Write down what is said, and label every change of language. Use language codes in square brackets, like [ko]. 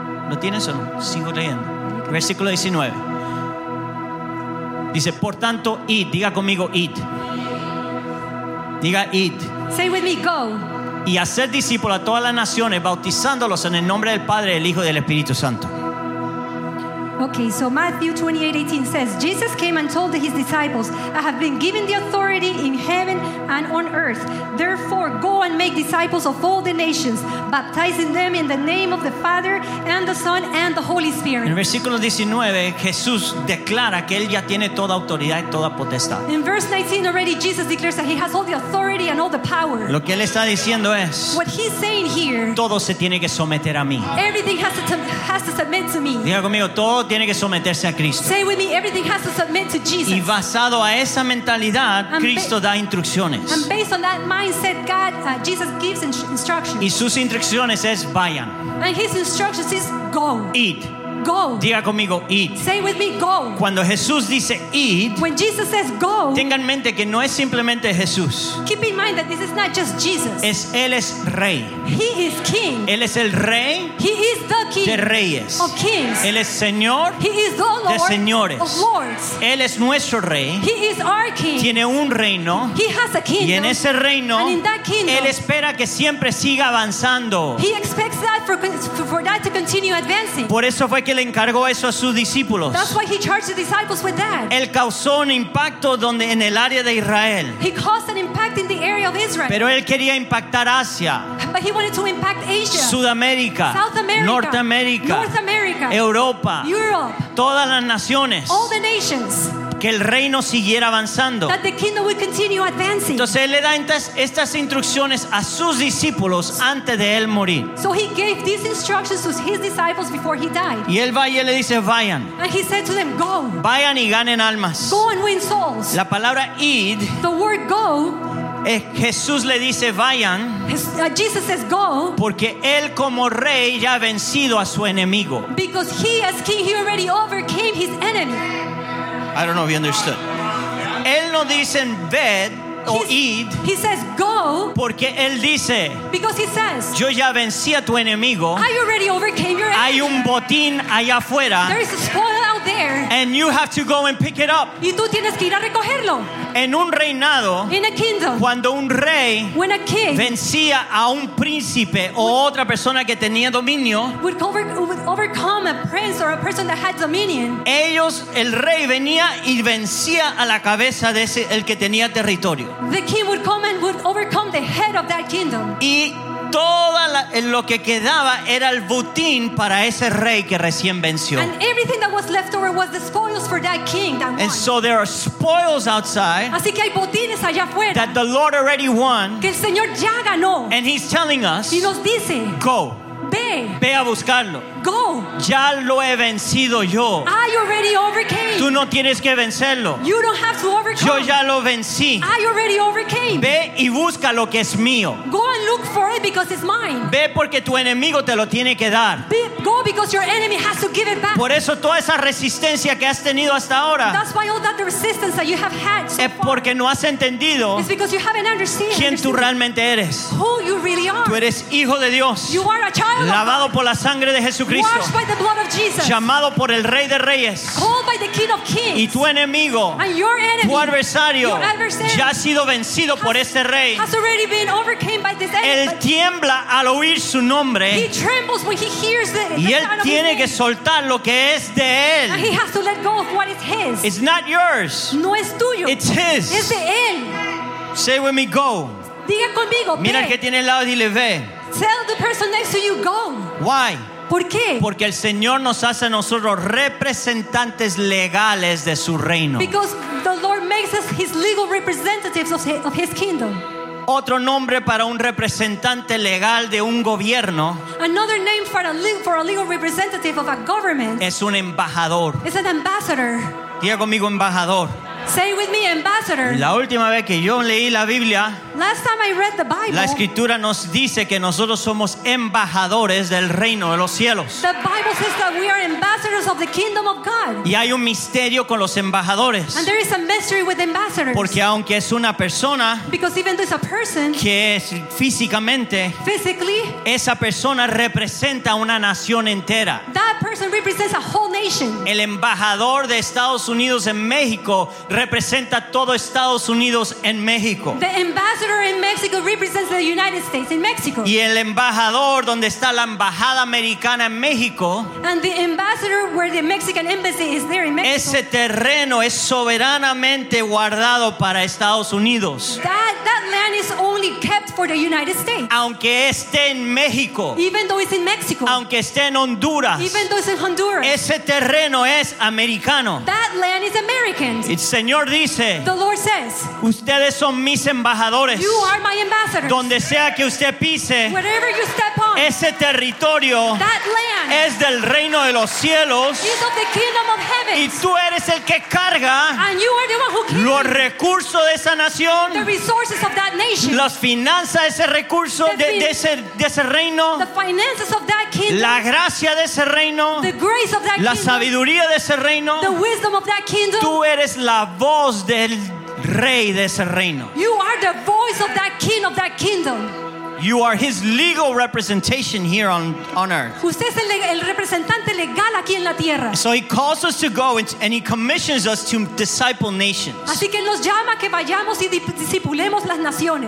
[es] ¿Lo tienes o no? Sigo leyendo. Versículo 19. Dice, por tanto, id. Diga conmigo, id. Diga, id. [en] Say with me, go. [es] Y hacer discípulos a todas las naciones, bautizándolos en el nombre del Padre, del Hijo y del Espíritu Santo. [en] Okay, so Matthew 28:18 says, Jesus came and told his disciples, I have been given the authority in heaven and on earth. Therefore, go and make disciples of all the nations, baptizing them in the name of the Father and the Son and the Holy Spirit. [es] En el versículo 19, Jesús declara que él ya tiene toda autoridad y toda potestad. [en] In verse 19 already, Jesus declares that he has all the authority and all the power. [es] Lo que él está diciendo es, [en] what he's saying here, [es] todo se tiene que someter a mí. [en] Everything has to submit to me. [es] Diga conmigo, todo tiene que someterse a Cristo. [en] Say with me, everything has to submit to Jesus. [es] Y basado a esa mentalidad, Cristo da instrucciones. [en] And based on that mindset, God, Jesus gives instructions. [es] Y sus instrucciones es vayan. [en] And his instructions is go. [es] Eat. [en] Go. [es] Diga conmigo, eat. [en] Say with me, go. [es] Cuando Jesús dice eat, [en] when Jesus says go, [es] tengan en mente que no es simplemente Jesús. [en] Keep in mind that this is not just Jesus. [es] Es él es rey. [en] He is king. [es] Él es el rey. [en] He is the king [es] de reyes. [en] Of kings. [es] Él es señor. [en] He is the Lord [es] de señores. [en] Of lords. [es] Él es nuestro rey. [en] He is our king. [es] Tiene un reino. [en] He has a kingdom. [es] Y en ese reino, [en] and in that kingdom, [es] él espera que siempre siga avanzando. [en] He expects that for that to continue advancing. [es] Por eso fue que le encargó eso a sus discípulos. [en] That's why he charged the disciples with that. [es] Él causó un impacto donde en el área de Israel. [en] He caused an impact in the area of Israel. [es] Pero él quería impactar Asia. [en] But he wanted to impact Asia. [es] Sudamérica. [en] South America. [es] Norteamérica. [en] North America. [es] Europa. [en] Europe. [es] Todas las naciones. [en] All the nations. [es] Que el reino siguiera avanzando. [en] That the kingdom would continue advancing. [es] Entonces él le da estas instrucciones a sus discípulos antes de él morir. [en] So he gave these instructions to his disciples before he died. [es] Y él va y él le dice, vayan. [en] And he said to them, go. [es] Vayan y ganen almas. [en] Go and win souls. [es] La palabra id, [en] the word go, [es] Jesús le dice vayan, [en] Jesus says go, [es] porque él como rey ya ha vencido a su enemigo. [en] Because he as king he already overcame his enemy. I don't know if you understood. [es] Él no dice ve o id. [en] He says go. [es] Porque él dice, [en] because he says, [es] yo ya vencí a tu enemigo. [en] I already overcame your enemy. [es] Hay un botín allá afuera. [en] There is a spoil out there. And you have to go and pick it up. [es] Y tú tienes que ir a recogerlo. en un reinado, [en] in a kingdom, [es] cuando un rey, [en] when a king, [es] vencía a un príncipe o otra persona que tenía dominio, [en] would overcome a prince or a person that had dominion, [es] ellos, el rey venía y vencía a la cabeza de ese, el que tenía territorio, [en] the king would come and would overcome the head of that kingdom, [es] y todo lo que quedaba era el botín para ese rey que recién venció. [en] And everything that was left over was the spoils for that king that won. And so there are spoils outside. [es] Así que hay botines allá afuera. [en] That the Lord already won. [es] Que el Señor ya ganó. [en] And he's telling us. [es] Y nos dice. [en] Go. [es] Ve. Ve a buscarlo. [en] Go. [es] Ya lo he vencido yo. [en] I already overcame. [es] Tú no tienes que vencerlo. [en] You don't have to overcome. [es] Yo ya lo vencí. [en] I already overcame. [es] Ve y busca lo que es mío. [en] Go and look for it because it's mine. [es] Ve porque tu enemigo te lo tiene que dar. [en] Go because your enemy has to give it back. [es] Por eso toda esa resistencia que has tenido hasta ahora. [en] That's why all that resistance that you have had so far. [es] Es porque no has entendido. [en] It's because you haven't understood. [es] Quién tú realmente eres. [en] Who you really are. [es] Tú eres hijo de Dios. [en] You are a child. [es] Lavado por la sangre de Jesús. [en] Washed by the blood of Jesus. [es] Llamado por el Rey de Reyes. [en] Called by the King of Kings. [es] Y tu enemigo, [en] and your enemy, [es] tu adversario, [en] your adversary, [es] ya ha sido vencido por este rey. [en] Has already been overcame by this enemy. [es] Él tiembla al oír su nombre. [en] He trembles when he hears the [es] y él tiene que soltar lo que es de él. [en] And he has to let go of what is his. It's not yours. [es] No es tuyo. [en] It's his. [es] Es de él. [en] Say with me, go. [es] Diga conmigo, ve. Mira el que tiene al lado y dile, ve. [en] Tell the person next to you, go. Why? [es] ¿Por qué? Porque el Señor nos hace a nosotros representantes legales de su reino. [en] Because the Lord makes us his legal representatives of his kingdom. [es] Otro nombre para un representante legal de un gobierno. [en] Another name for a legal representative of a government. [es] Es un embajador. [en] Is an ambassador. [es] Diga conmigo, embajador. [en] Say with me, ambassador. [es] La última vez que yo leí la Biblia, [en] last time I read the Bible, [es] la escritura nos dice que nosotros somos embajadores del reino de los cielos. [en] The Bible says that we are ambassadors of the kingdom of God. [es] Y hay un misterio con los embajadores. [en] And there is a mystery with ambassadors. [es] Porque aunque es una persona, [en] because even though it's a person, [es] que es físicamente, [en] physically, [es] esa persona representa una nación entera. [en] That person represents a whole nation. [es] El embajador de Estados Unidos en México representa todo Estados Unidos en México. [en] The ambassador in Mexico represents the United States in Mexico. [es] Y el embajador donde está la embajada americana en México. [en] And the ambassador where the Mexican embassy is there in Mexico. [es] Ese terreno es soberanamente guardado para Estados Unidos. [en] That land is only kept for the United States. [es] Aunque esté en México. [en] Even though it's in Mexico. [es] Aunque esté en Honduras. [en] Even though it's in Honduras. [es] Ese terreno es americano. [en] That land is American. [es] El Señor dice, [en] the Lord says, [es] ustedes son mis embajadores. [en] You are my ambassadors. [es] Donde sea que usted pise, [en] wherever you step on, [es] ese territorio, [en] that land, [es] es del reino de los cielos. [en] Is of the kingdom of heaven. [es] Y tú eres el que carga, [en] and you are the one who carries, [es] los recursos de esa nación, [en] the resources of that nation, [es] las finanzas de ese recurso, de ese reino, [en] the finances of that kingdom, [es] la gracia de ese reino, [en] the grace of that kingdom, [es] la sabiduría de ese reino, [en] the wisdom of that kingdom. [es] Tú eres la voz del rey de ese reino. [en] You are the voice of that king of that kingdom. You are his legal representation here on earth. [es] Usted es el representante legal aquí en la tierra. [en] So he calls us to go and he commissions us to disciple nations. [es] Así que nos llama que vayamos y discipulemos las naciones.